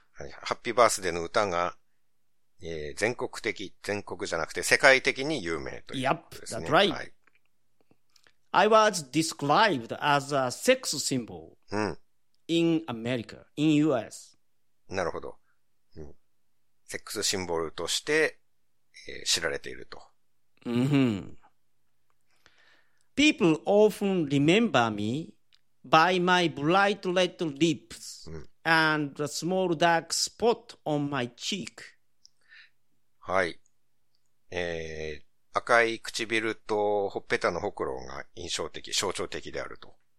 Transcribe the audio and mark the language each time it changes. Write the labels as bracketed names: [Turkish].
[Japanese] はい、ハッピーバースデーの歌が、全国的、全国じゃなくて世界的に有名ということですね。 [English] Yep, that's right. I was described as a sex symbol in America, in US. [Japanese] なるほど。セックスシンボルとして、知られていると。 [English] People often remember meby my bright red lips and a small dark spot on my cheek. [Japanese] はい。赤い唇とほっぺたのほくろが印象的、象徴的であると。